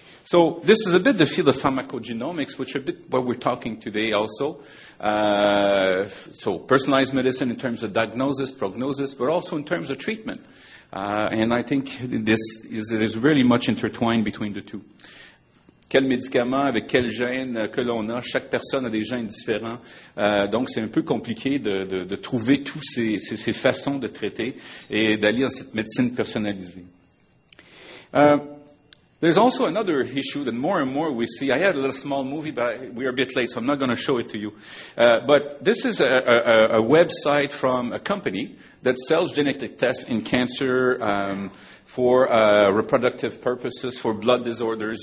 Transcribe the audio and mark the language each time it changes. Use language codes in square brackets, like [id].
[en] So this is a bit the field of pharmacogenomics, which is a bit what we're talking today also. So personalized medicine in terms of diagnosis, prognosis, but also in terms of treatment. And I think this is really much intertwined between the two. [fr] Quel médicament, avec quel gène que l'on a, chaque personne a des gènes différents. Donc, c'est un peu compliqué de trouver toutes ces façons de traiter et d'aller dans cette médecine personnalisée. [en] There's also another issue that more and more we see. I had a little small movie, but we are a bit late, so I'm not going to show it to you. But this is a website from a company that sells genetic tests in cancer for reproductive purposes, for blood disorders.